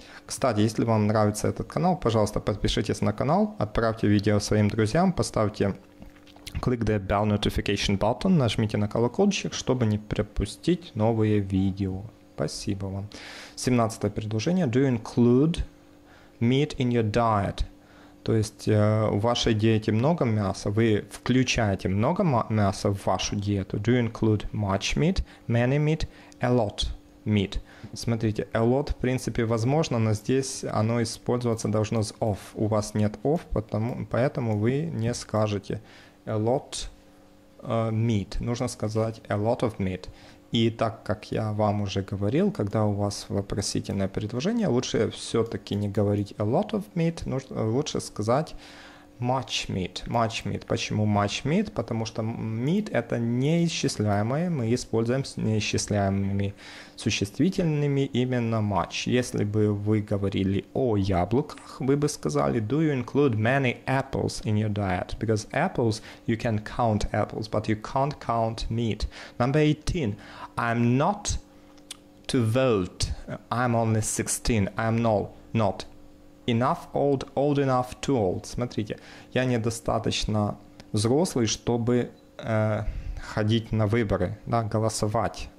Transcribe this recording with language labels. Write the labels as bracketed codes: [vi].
[ru] Кстати, если вам нравится этот канал, пожалуйста, подпишитесь на канал, отправьте видео своим друзьям, поставьте [en] click the bell notification button, [ru] нажмите на колокольчик, чтобы не пропустить новые видео. Спасибо вам. 17 предложение. [en] Do you include meat in your diet? [ru] То есть в вашей диете много мяса, вы включаете много мяса в вашу диету. [en] Do you include much meat, many meat, a lot meat? [ru] Смотрите, a lot в принципе возможно, но здесь оно использоваться должно с of. У вас нет of, поэтому вы не скажете [en] a lot meat. [ru] Нужно сказать [en] a lot of meat. [ru] И так как я вам уже говорил, когда у вас вопросительное предложение, лучше все-таки не говорить a lot of meat, лучше сказать [en] much meat. Much meat. [ru] Почему [en] much meat? [ru] Потому что meat это неисчисляемое, мы используем с неисчисляемыми существительными именно much. Если бы вы говорили о яблоках, вы бы сказали [en] do you include many apples in your diet? Because apples, you can count apples, but you can't count meat. Number 18. I'm not to vote. I'm only 16. I'm not enough old, old enough to old. [ru] Смотрите, я недостаточно взрослый, чтобы ходить на выборы, да, голосовать.